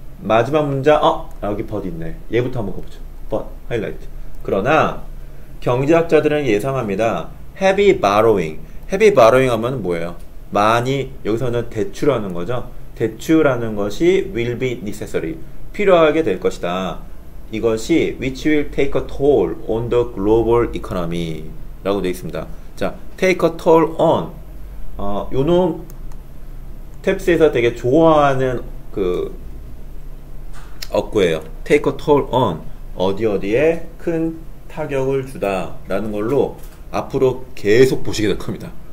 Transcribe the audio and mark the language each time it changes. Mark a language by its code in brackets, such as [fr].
[ko] 마지막 문자, 여기 but 있네. 얘부터 한번 가보죠. but, highlight. 그러나, 경제학자들은 예상합니다. [en] heavy borrowing. heavy borrowing [ko] 하면 뭐예요? 많이, 여기서는 대출하는 거죠. 대출하는 것이 [en] will be necessary. [ko] 필요하게 될 것이다. 이것이 [en] which will take a toll on the global economy. [ko] 라고 되어 있습니다. 자, [en] take a toll on. [ko] 요놈, 탭스에서 되게 좋아하는 그, 어구예요. [en] take a toll on. [ko] 어디 어디에 큰 타격을 주다. 라는 걸로 앞으로 계속 보시게 될 겁니다.